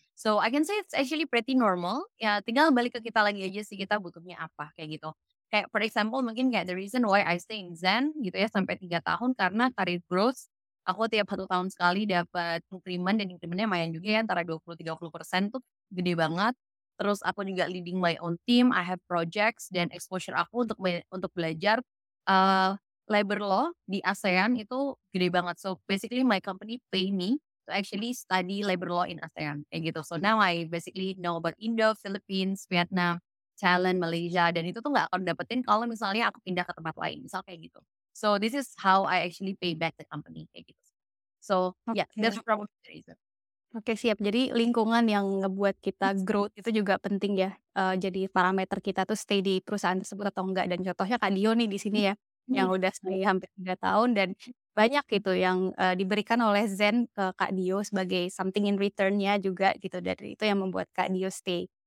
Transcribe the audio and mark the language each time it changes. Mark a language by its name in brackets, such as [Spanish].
[English] So I can say it's actually pretty normal. [Indonesian] Ya tinggal balik ke kita lagi aja sih, kita butuhnya apa kayak gitu. Kayak [English] for example [Indonesian] mungkin kayak [English] the reason why I stay in Zen [Indonesian] gitu ya sampai 3 tahun karena career growth. Aku tiap 1 tahun sekali dapat increment dan incrementnya lumayan juga ya antara 20-30% tuh gede banget. Terus aku juga [English] leading my own team, I have projects [Indonesian] dan exposure aku untuk belajar labor law di ASEAN itu gede banget. [English] So basically my company pay me to actually study labor law in ASEAN [Indonesian] kayak gitu. [English] So now I basically know about [Indonesian] Indo, Philippines, Vietnam, Thailand, Malaysia dan itu tuh enggak akan dapetin kalau misalnya aku pindah ke tempat lain. Misal kayak gitu. [English] So this is how I actually pay back the company [Indonesian] kayak gitu. [English] So okay. Yeah, that's probably the reason. [Indonesian] Oke, siap. Jadi lingkungan yang ngebuat kita growth itu juga penting ya. Jadi parameter kita tuh stay di perusahaan tersebut atau enggak. Dan contohnya Kak Dio nih di sini ya, yang udah stay hampir 3 tahun. Dan banyak gitu yang diberikan oleh Zen ke Kak Dio sebagai [English] something in return- [Indonesian] nya juga gitu. Dan itu yang membuat Kak Dio stay.